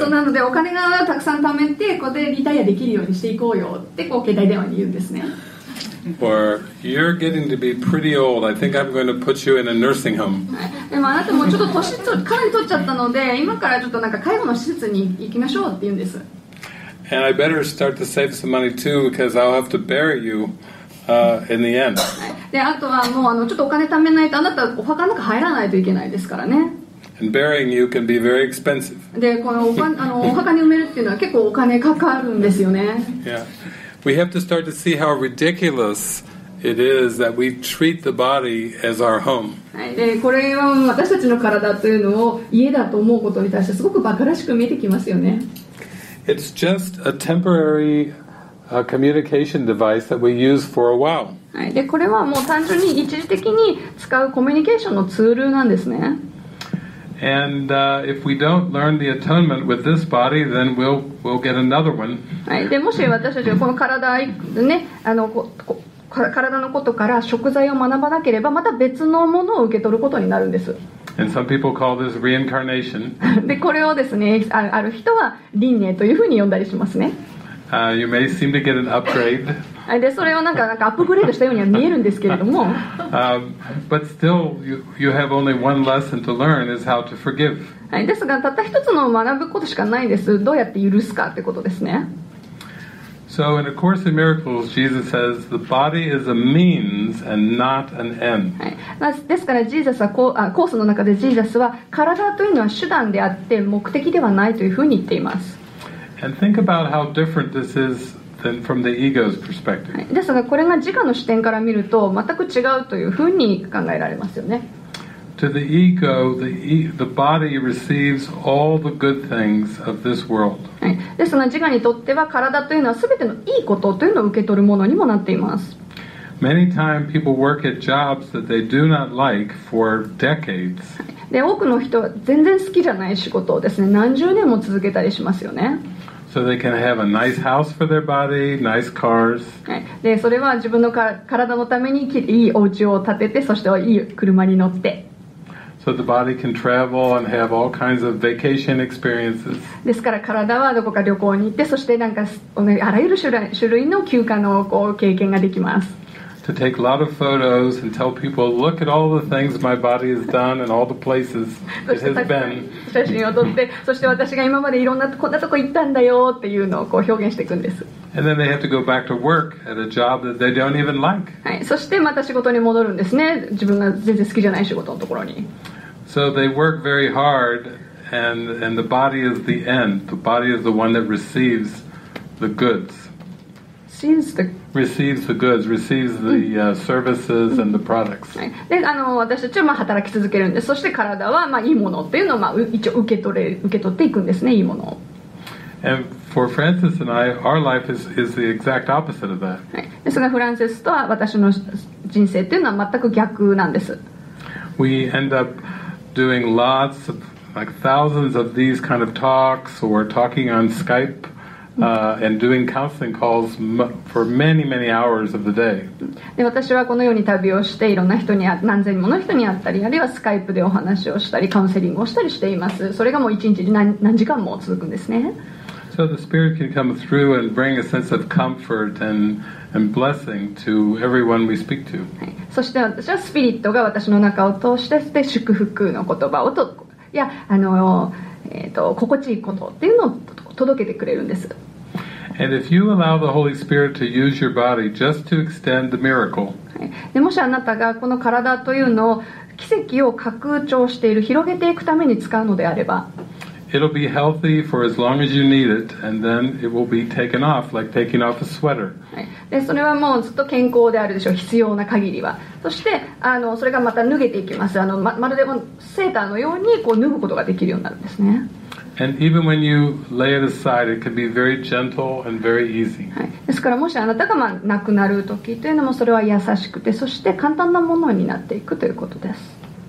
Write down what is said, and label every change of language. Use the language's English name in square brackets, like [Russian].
[Japanese] そうなので、お金がたくさん貯めて、ここでリタイアできるようにしていこうよって、こう携帯電話に言うんですね。 [English] Or you're getting to be pretty old. I think I'm going to put you in a nursing home. [Japanese] でもあなたもちょっと年かなり取っちゃったので、今からちょっとなんか介護の施設に行きましょうって言うんです。 [English] And I better start to save some money too because I'll have to bury you in the end. [Japanese] であとはもうちょっとお金貯めないとあなたお墓の中入らないといけないですからね。 [English] And burying you can be very expensive. [Japanese] でこのお墓に埋めるっていうのは結構お金かかるんですよね。 [English] We have to start to see how ridiculous it is that we treat the body as our home. [Japanese] でこれは私たちの体というのを家だと思うことに対してすごく馬鹿らしく見えてきますよね。 [English] It's just a temporary communication device that we use for a while. [Japanese] で、これはもう単純に一時的に使うコミュニケーションのツールなんですね。 [English] And if we don't learn the atonement with this body, then we'll get another one. [Japanese] で、もし私たちはこの体でね、体のことから贖罪を学ばなければ、また別のものを受け取ることになるんです。 [English] And some people call this reincarnation. [Japanese] で、これをですね、ある人は輪廻というふうに呼んだりしますね。 [English] You may seem to get an upgrade. [Japanese] で、それをなんかアップグレードしたようには見えるんですけれども。 [English] But still, you have only one lesson to learn is how to forgive. [Japanese] ですが、たった一つの学ぶことしかないんです。どうやって許すかってことですね。 [English] So in A Course in Miracles, Jesus says the body is a means and not an end. [Japanese] はい。ですから、ジーザスはコースの中でジーザスは体というのは手段であって目的ではないというふうに言っています。 [English] And think about how different this is than from the ego's perspective. [Japanese] ですが、これが自我の視点から見ると全く違うというふうに考えられますよね。 [English] To the ego, the body receives all the good things of this world. [Japanese] ですが、自我にとっては体というのは全てのいいことというのを受け取るものにもなっています。 [English] Many times people work at jobs that they do not like for decades. [Japanese] で、多くの人は全然好きじゃない仕事をですね、何十年も続けたりしますよね。 [English] So they can have a nice house for their body, nice cars. [Japanese] で、それは自分の体のためにいいお家を建てて、そしていい車に乗って。 [English] So the body can travel and have all kinds of vacation experiences. [Japanese] ですから体はどこか旅行に行って、そしてなんかあらゆる種類の休暇のこう経験ができます。 [English] To take a lot of photos and tell people, look at all the things my body has done and all the places it has been. [Japanese] 写真を撮って、そして私が今までいろんなこんなとこ行ったんだよっていうのをこう表現していくんです。 [English] And then they have to go back to work at a job that they don't even like. [Japanese] はい、そしてまた仕事に戻るんですね。自分が全然好きじゃない仕事のところに。 [English] So they work very hard and the body is the end. The body is the one that receives the goods. Receives the goods, receives the services and the products. [Japanese] で、私たちはまあ働き続けるんです。そして体はまあいいものっていうのをまあ一応受け取っていくんですね、いいものを。 [English] And for Francis and I, our life is the exact opposite of that. [Japanese] ですが、フランセスとは私の人生っていうのは全く逆なんです。 [English] We end up doing lots of, like thousands of these kind of talks or talking on Skype. And doing counseling calls for many, many hours of the day. [Japanese] で、私はこのように旅をして、いろんな人に、何千もの人に会ったり、あるいはスカイプでお話をしたり、カウンセリングをしたりしています。それがもう一日で何時間も続くんですね。 [English] So the spirit can come through and bring a sense of comfort and blessing to everyone we speak to. [Japanese] そして私はスピリットが私の中を通して、で、祝福の言葉をと、いや、心地いいことっていうのを届けてくれるんです。 [English] And if you allow the Holy Spirit to use your body just to extend the miracle, [Japanese] でもしあなたがこの体というのを奇跡を拡張している広げていくために使うのであれば [English] It'll be healthy for as long as you need it, and then it will be taken off, like taking off a sweater. [Japanese] で、それはもうずっと健康であるでしょう、必要な限りは。そして、それがまた脱げていきます。まるでセーターのようにこう脱ぐことができるようになるんですね。 [English] And even when you lay it aside, it can be very gentle and very easy. [Japanese] ですから、もしあなたがまあ亡くなるときというのも、それは優しくて、そして簡単なものになっていくということです。